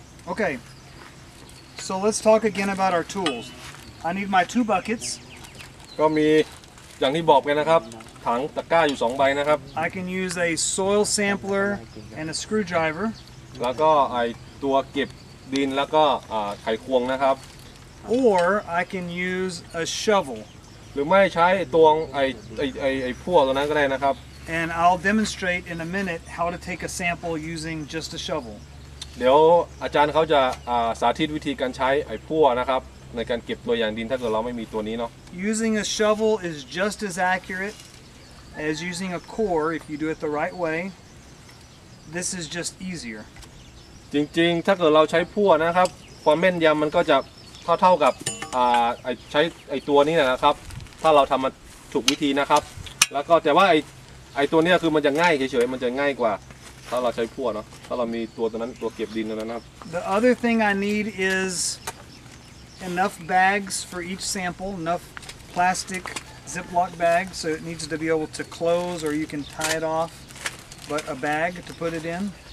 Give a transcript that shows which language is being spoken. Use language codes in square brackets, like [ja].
[en] Okay so let's talk again about our tools I need my 2 buckets [th] ก็มีอย่างที่บอกกันนะครับถังตะกร้าอยู่2ใบนะครับ [en] I can use a soil sampler and a screwdriver [th] แล้วก็ไอตัวเก็บดินแล้วก็ไขควงนะครับ [en] or I can use a shovel [th] หรือไม่ใช้ตวงไอพวกตัวนั้นก็ได้นะครับ [en] And I'll demonstrate in a minute how to take a sample using just a shovel. [th] เดี๋ยวอาจารย์เขาจะสาธิตวิธีการใช้ไอ้พั่วนะครับในการเก็บตัวอย่างดินถ้าเกิดเราไม่มีตัวนี้เนาะ [en] Using a shovel is just as accurate as using a core if you do it the right way. This is just easier. [th] จริงๆถ้าเกิดเราใช้พั่วนะครับความแม่นยำมันก็จะเท่ากับใช้ไอ้ตัวนี้นะครับถ้าเราทำมันถูกวิธีนะครับแล้วก็แต่ว่าไอ้ตัวนี้คือมันจะง่ายเฉยๆมันจะง่ายกว่าถ้าเราใช้พั่วเนาะถ้าเรามีตัวตัวนั้นตัวเก็บดินตัวนั้นครับ [en] The other thing I need is enough bags for each sample enough plastic Ziploc bag, so it needs to be able to close or you can tie it off, but a bag to put it in.